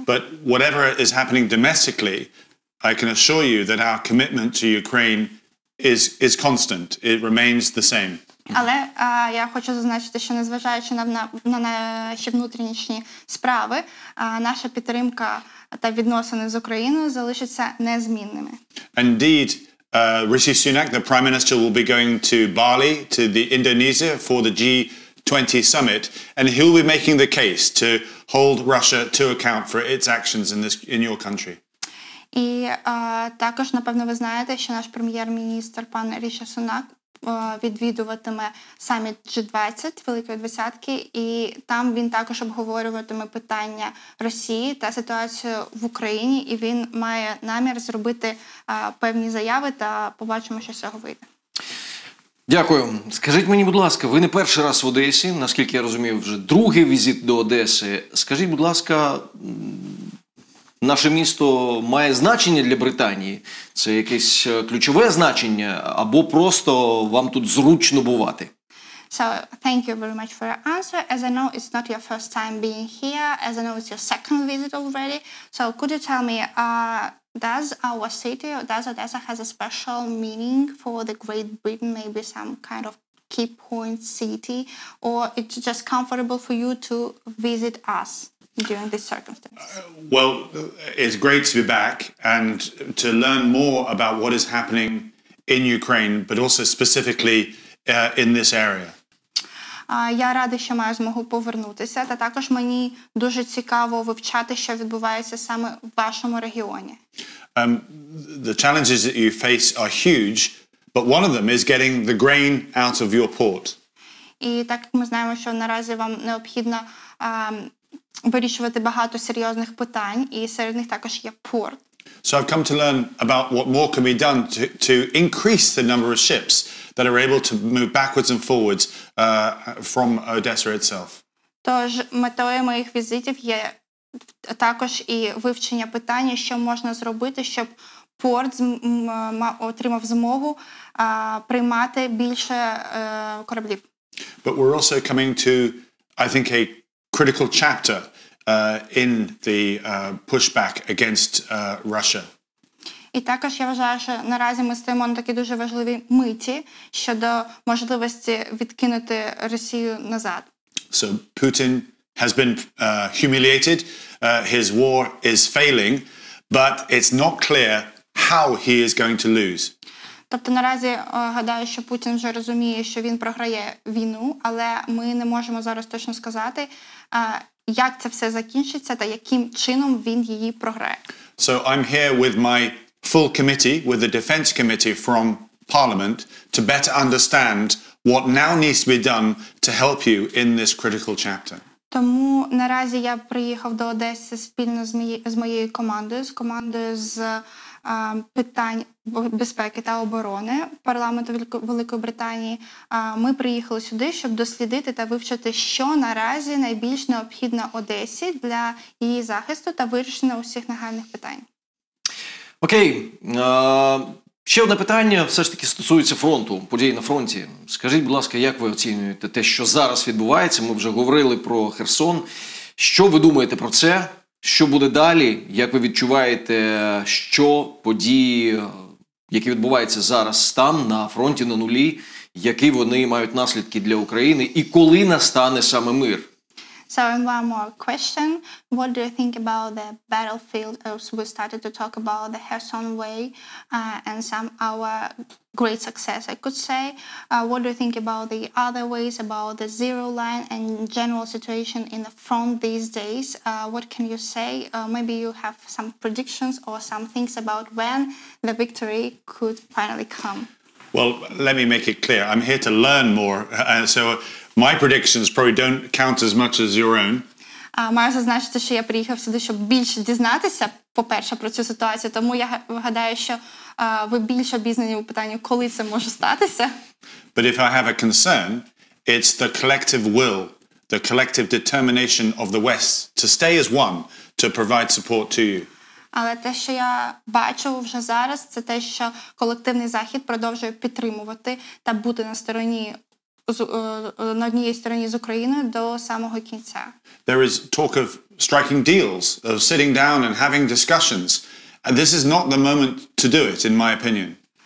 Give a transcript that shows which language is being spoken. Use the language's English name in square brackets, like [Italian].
[English] But whatever is happening domestically, I can assure you that our commitment to Ukraine is constant. It remains the same. [Ukrainian] Але я хочу зазначити, що незважаючи на наші внутрішні справи, наша підтримка та відносини з Україною залишаться незмінними. [English] Indeed, Rishi Sunak, the Prime Minister, will be going to Bali, to the Indonesia, for the G20 summit, and he'll be making the case to hold Russia to account for its actions in your country. [Ukrainian] І також, напевно, ви знаєте, що наш прем'єр-міністр, пан Ріші Сунак, відвідуватиме саміт G20, Великої Двадцятки, і там він також обговорюватиме питання Росії та ситуацію в Україні, і він має намір зробити певні заяви, та побачимо, що з цього вийде. Дякую. Скажіть мені, будь ласка, ви не перший раз в Одесі, наскільки я розумію, вже другий візит до Одеси. Скажіть, будь ласка, наше місто має значення для Британії? Це якесь ключове значення або просто вам тут зручно бувати? [English] So, thank you very much for your answer. As I know, it's not your first time being here. As I know, it's your second visit already. So, could you tell me, does our city, does Odessa has a special meaning for the Great Britain, maybe some kind of key point city, or it's just comfortable for you to visit us during this circumstance? Well, it's great to be back and to learn more about what is happening in Ukraine, but also specifically in this area. [Ukrainian] Я радий, що маю змогу повернутися, та також мені дуже цікаво вивчати, що відбувається саме в вашому регіоні. [English] The challenges that you face are huge, but one of them is getting the grain out of your port. [Ukrainian] І так як ми знаємо, що наразі вам необхідно вирішувати багато серйозних питань, і серед них також є порт. [English] So I've come to learn about what more can be done to increase the number of ships that are able to move backwards and forwards from Odessa itself. [Ukrainian] Тож метою моїх візитів є також і вивчення питання, що можна зробити, щоб порт отримав змогу приймати більше кораблів. [English] But we're also coming to, I think, a critical chapter in the pushback against Russia. [Ukrainian] І також я вважаю, що наразі ми стоїмо на такій дуже важливій миті щодо можливості відкинути Росію назад. [English] So Putin has been humiliated, his war is failing, but it's not clear how he is going to lose. [Ukrainian] Тобто наразі гадаю, що Путін вже розуміє, що він програє війну, але ми не можемо зараз точно сказати, як це все закінчиться та яким чином він її програє. [English] So I'm here with my full committee, with the defense committee from parliament, to better understand what now needs to be done to help you in this critical chapter. [Ukrainian] Тому наразі я приїхав до Одеси спільно з моєю командою, з командою з питань безпеки та оборони парламенту Великої Британії. Ми приїхали сюди, щоб дослідити та вивчити, що наразі найбільш необхідно Одесі для її захисту та вирішення усіх нагальних питань. Окей. Ще одне питання все ж таки стосується фронту, подій на фронті. Скажіть, будь ласка, як ви оцінюєте те, що зараз відбувається? Ми вже говорили про Херсон. Що ви думаєте про це? Що буде далі? Як ви відчуваєте, що події, які відбуваються зараз там, на фронті, на нулі, які вони мають наслідки для України і коли настане саме мир? [English] So, and one more question. What do you think about the battlefield as we started to talk about the Kherson way and some our great success, I could say. What do you think about the other ways, about the zero line and general situation in the front these days? What can you say? Maybe you have some predictions or some things about when the victory could finally come. Well, let me make it clear. I'm here to learn more. So my predictions probably don't count as much as your own. [Ukrainian] Маю зазначити, що я приїхав сюди, щоб більше дізнатися, по-перше, про цю ситуацію. Тому я гадаю, що ви більш обізнані у питанні, коли це може статися. [English] But if I have a concern, it's the collective will, the collective determination of the West to stay as one, to provide support to you. [Ukrainian] Але те, що я бачу вже зараз, це те, що колективний Захід продовжує підтримувати та бути на стороні, на однієї стороні з Україною до самого кінця. [English] There is talk of striking deals, of sitting down and having discussions. And this is not the moment to do it, in my opinion.